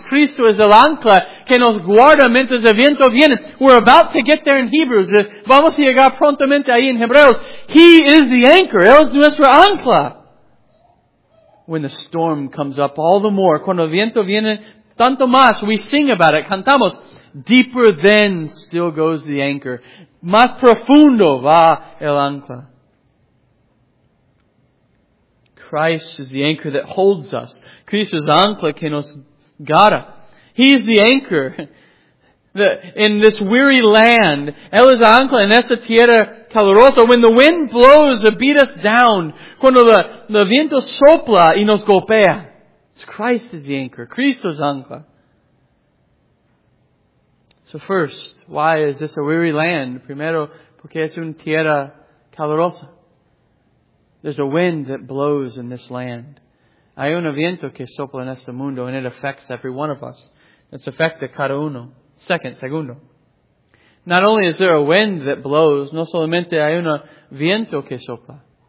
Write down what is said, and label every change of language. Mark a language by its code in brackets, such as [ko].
[es] Cristo es el ancla que nos guarda mientras el viento viene. [en] We're about to get there in Hebrews. [es] Vamos a llegar prontamente ahí en Hebreos. [en] He is the anchor. [es] Él es nuestro ancla. [en] When the storm comes up all the more, [es] cuando el viento viene tanto más, [en] we sing about it, [es] cantamos. [en] Deeper then still goes the anchor. [es] Más profundo va el ancla. [en] Christ is the anchor that holds us. [es] Cristo es ancla que nos guarda. [en] He is the anchor in this weary land. [es] Él es ancla en esta tierra calurosa. [en] When the wind blows, it beat us down. [es] Cuando el viento sopla y nos golpea. [en] Christ is the anchor. [es] Cristo es ancla. [en] So first, why is this a weary land? [es] Primero, porque es una tierra calurosa. [en] There's a wind that blows in this land. [es] Hay un viento que sopla en este mundo, [en] and it affects every one of us. [es] It's affecta cada uno. Segundo. [en] Not only is there a wind that blows, [es] no solamente hay un viento que sopla.